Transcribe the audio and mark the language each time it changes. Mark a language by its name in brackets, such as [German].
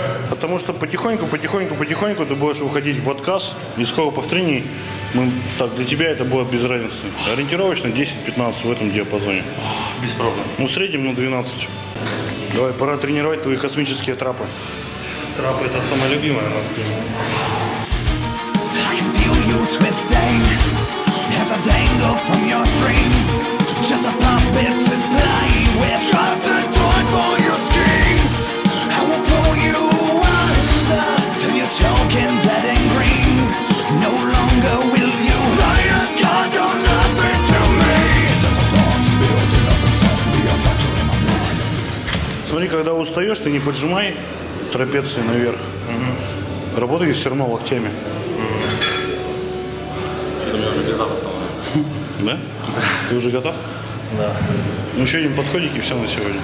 [Russian] Потому что потихоньку ты будешь уходить в отказ. И сколько повторений, мы, так, для тебя это будет без разницы. Ориентировочно 10-15 в этом диапазоне. Без проблем. Ну, в среднем на 12. Давай, пора тренировать твои космические трапы. Трапы – это самое любимое у нас. [English] I feel you twisting as I dangle from your dreams. Just a puppet to play with. Just a toy for your schemes. I will pull you under till you're choking dead and green. No longer will you lie a god or nothing to me. There's a dawn just building up inside me. A fracture in my mind. [Russian] Смотри, когда устаешь, ты не поджимай трапеции наверх. Mm-hmm. Работай все равно локтями. Что-то мне уже без зала становится. Да? Ты уже готов? Да. Ну еще один подходик и все на сегодня.